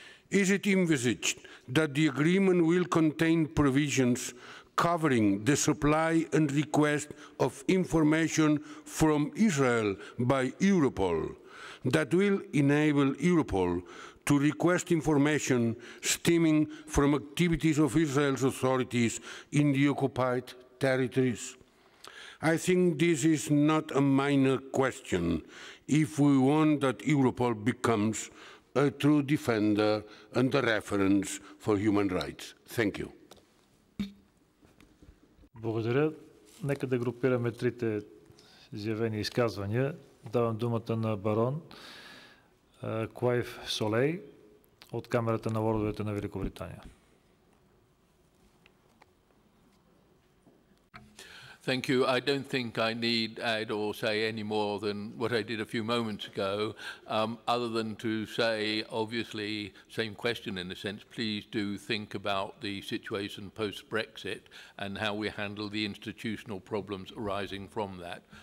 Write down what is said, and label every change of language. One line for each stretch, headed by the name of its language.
English: Is it envisaged that the agreement will contain provisions covering the supply and request of information from Israel by Europol that will enable Europol to request information stemming from activities of Israel's authorities in the occupied territories? I think this is not a minor question if we want that Europol becomes a true defender and a reference for human rights. Thank you.
Bulgarian: Благодаря. Нека да групираме трите изявени изказвания. Давам думата на барон Клайв Солей от Камерата на лордовете на Великобритания.
English: Thank you. I don't think I need add or say any more than what I did a few moments ago, other than to say, obviously, same question in a sense, please do think about the situation post-Brexit and how we handle the institutional problems arising from that.